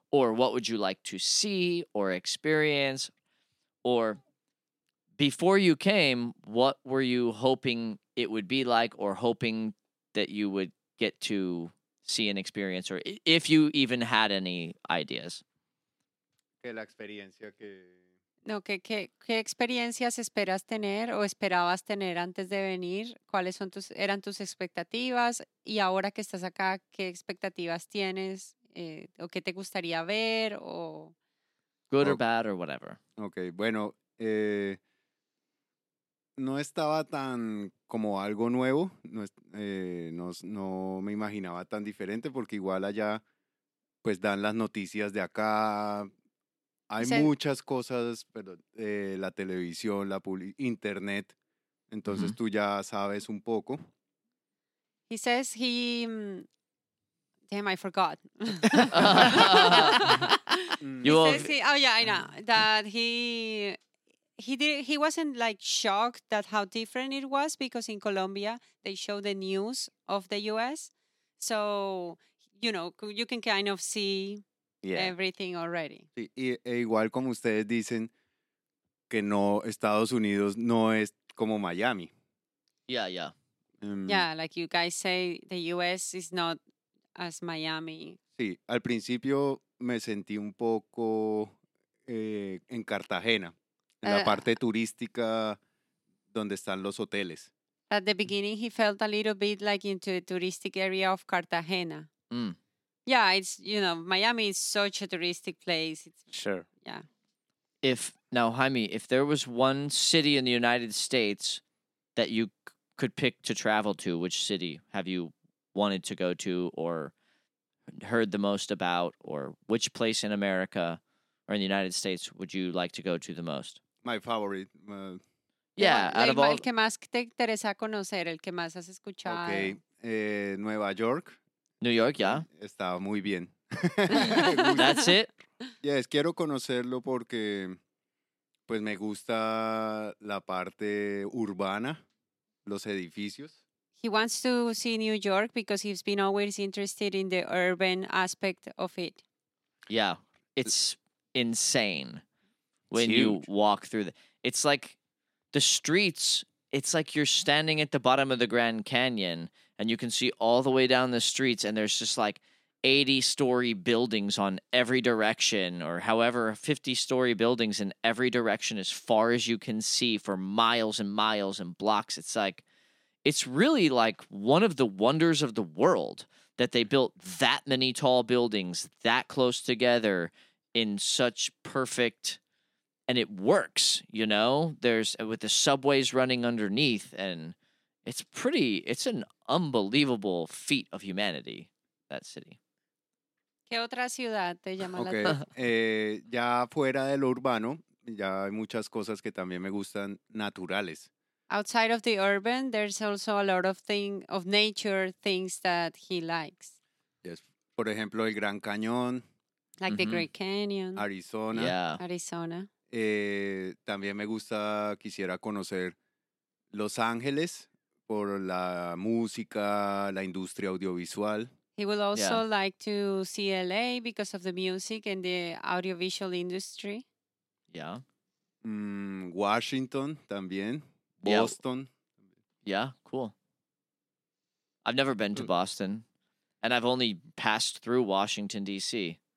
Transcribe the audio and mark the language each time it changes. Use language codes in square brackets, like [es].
[en] Or what would you like to see or experience? Or before you came, what were you hoping it would be like or hoping that you would get to see and experience, or if you even had any ideas? [es] Que la experiencia que... No, ¿qué experiencias esperas tener o esperabas tener antes de venir? ¿Cuáles eran tus expectativas? Y ahora que estás acá, ¿qué expectativas tienes? ¿O qué te gustaría ver? O... [en] Good or bad or whatever. [es] Okay, bueno, no estaba tan como algo nuevo. No me imaginaba tan diferente porque igual allá pues dan las noticias de acá. Hay muchas cosas, pero la televisión, la internet, entonces tú ya sabes un poco. [en] He says he... Damn, I forgot. He wasn't like shocked that how different it was because in Colombia, they show the news of the U.S. So, you know, you can kind of see... Yeah. Everything already. [es] Sí, e igual como ustedes dicen que no, Estados Unidos no es como Miami. [en] Yeah, yeah. Yeah, like you guys say, the U.S. is not as Miami. [es] Sí, al principio me sentí un poco en Cartagena, en la parte turística donde están los hoteles. [en] At the beginning, he felt a little bit like into the touristic area of Cartagena. Mm. Yeah, it's, you know, Miami is such a touristic place. It's, sure. Yeah. Jaime, if there was one city in the United States that you could pick to travel to, which city have you wanted to go to or heard the most about, or which place in America or in the United States would you like to go to the most? My favorite. Out of all... [es] El que más te interesa conocer, el que más has escuchado. Okay. Nueva York. [en] New York, yeah. [es] Está muy bien. [en] That's it? [es] Yes, quiero conocerlo porque pues me gusta la parte urbana, los edificios. [en] He wants to see New York because he's been always interested in the urban aspect of it. Yeah, it's insane when you walk through. It's like the streets, it's like you're standing at the bottom of the Grand Canyon and you can see all the way down the streets and there's just like 80-story buildings on every direction or however 50-story buildings in every direction as far as you can see for miles and miles and blocks. It's like... It's really like one of the wonders of the world that they built that many tall buildings that close together in such perfect, and it works, you know, there's with the subways running underneath, and it's pretty, it's an unbelievable feat of humanity, that city. [es] ¿Qué otra ciudad te llama la atención? Ya fuera de lo urbano, ya hay muchas cosas que también me gustan naturales. [en] Outside of the urban, there's also a lot of thing of nature things that he likes. [es] Yes, por ejemplo, el Gran Cañón, [en] like the Great Canyon, Arizona. Yeah, Arizona. [es] También me gusta, quisiera conocer Los Ángeles por la música, la industria audiovisual. [en] He will also like to see LA because of the music and the audiovisual industry. Yeah. [es] Washington también. Boston. [en] Yeah, cool. I've never been to Boston, and I've only passed through Washington, D.C.